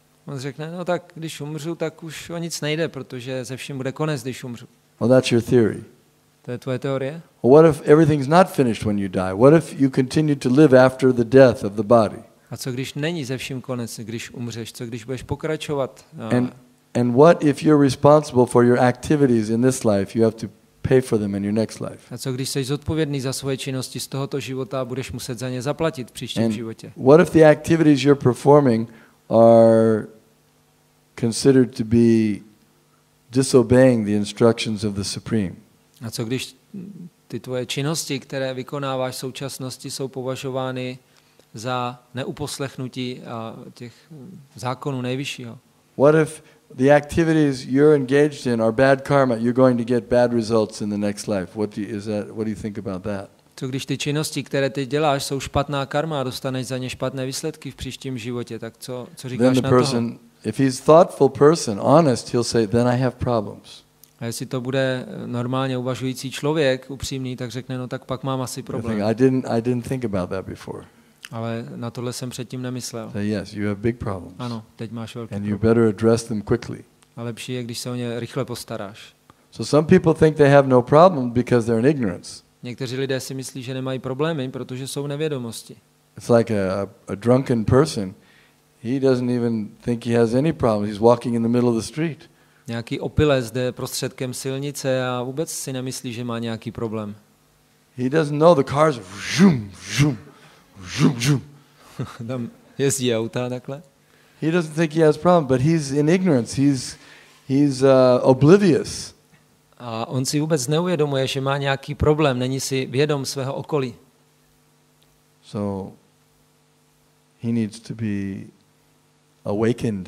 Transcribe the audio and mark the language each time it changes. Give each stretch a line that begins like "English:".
Czech: On řekne, no tak když umřu, tak už o nic nejde, protože ze vším bude konec, když umřu.
English: Well, that's your theory.
Czech: To je tvoje teorie.
English: Well, what if everything's not finished when you die? What if you continue to live after the death of the body?
Czech: A co když není ze vším konec, když umřeš? Co když budeš pokračovat?
English: And what if you're responsible for your activities in this life? You have to pay for them in your next life.
Czech: A co když jsi zodpovědný za svoje činnosti z tohoto života a budeš muset za ně zaplatit v příštím životě?
English: What if the activities you're performing are considered to be disobeying the instructions of the Supreme?
Czech: A co když ty tvoje činnosti, které vykonáváš v současnosti, jsou považovány za neuposlechnutí těch zákonů nejvyššího?
English: What if the activities you're engaged in are bad karma, you're going to get bad results in the next life? What do you think about that?
Czech: Co když ty činnosti, které ty děláš, jsou špatná karma a dostaneš za ně špatné výsledky v příštím životě, tak co říkáš na to?
English: If he's a thoughtful person, honest, he'll say, then I have problems.
Czech: A jestli to bude normálně uvažující člověk, upřímný, tak řekne, no tak pak mám asi problém.
English: I didn't think about that before.
Czech: Ale na tohle jsem předtím nemyslel.
English: Say, yes, you have big problems.
Czech: Ano, teď máš velký problém.
English: And you better address them quickly.
Czech: A lepší je, když se o ně rychle postaráš.
English: So some people think they have no problem because they're in ignorance.
Czech: Někteří lidé si myslí, že nemají problémy, protože jsou v nevědomosti.
English: It's like a drunken person. He doesn't even think he has any problems. He's walking in the middle of the street.
Czech: Nějaký opilec jde prostředkem silnice a vůbec si nemyslí, že má nějaký problém.
English: He doesn't know the cars zoom zoom zoom zoom.
Czech: Tam jezdí auta takhle.
English: He doesn't think he has problems, but he's in ignorance. He's oblivious.
Czech: A on si vůbec neuvědomuje, že má nějaký problém, není si vědom svého okolí.
English: So he needs to be awakened.